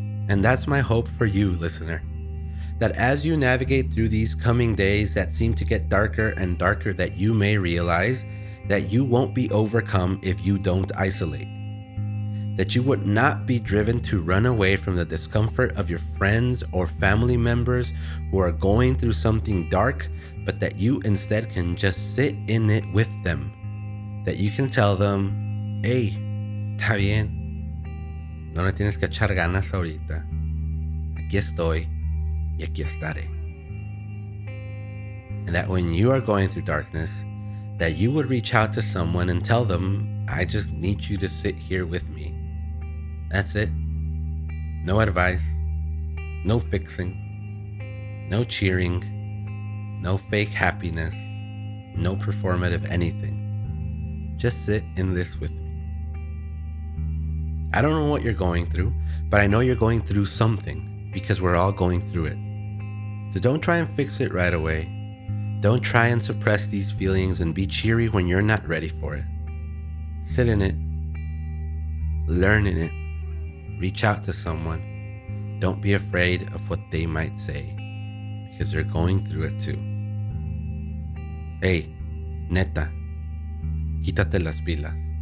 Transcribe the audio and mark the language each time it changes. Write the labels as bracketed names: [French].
[English] And that's my hope for you, listener. That as you navigate through these coming days that seem to get darker and darker, that you may realize that you won't be overcome if you don't isolate. That you would not be driven to run away from the discomfort of your friends or family members who are going through something dark, but that you instead can just sit in it with them. That you can tell them, hey, [Spanish] está bien. No le tienes que echar ganas ahorita. Aquí estoy. [English] And that when you are going through darkness, that you would reach out to someone and tell them, I just need you to sit here with me. That's it. No advice, no fixing, no cheering, no fake happiness, no performative anything. Just sit in this with me. I don't know what you're going through, but I know you're going through something because we're all going through it. So don't try and fix it right away. Don't try and suppress these feelings and be cheery when you're not ready for it. Sit in it. Learn in it. Reach out to someone. Don't be afraid of what they might say because they're going through it too. [Spanish] Hey, neta, quítate las pilas.